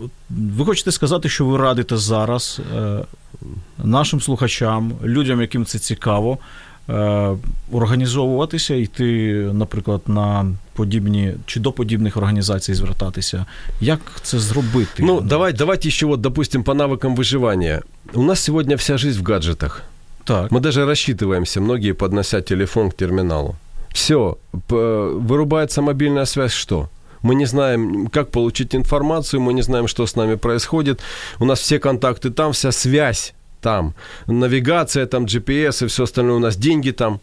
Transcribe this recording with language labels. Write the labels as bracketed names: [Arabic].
[Ukrainian] Ви хочете сказати, що ви радите зараз нашим слухачам, людям, яким це цікаво, організовуватися, йти, наприклад, на подібні, чи до подібних організацій звертатися. Як це зробити? Ну, давайте ще, от, допустим, по навикам виживання. У нас сьогодні вся життя в гаджетах. Так. [Russian] Мы даже рассчитываемся, многие поднося телефон к терминалу. Все, вырубается мобильная связь, что? Мы не знаем, как получить информацию, мы не знаем, что с нами происходит. У нас все контакты там, вся связь там. Навигация там, GPS и все остальное у нас, деньги там.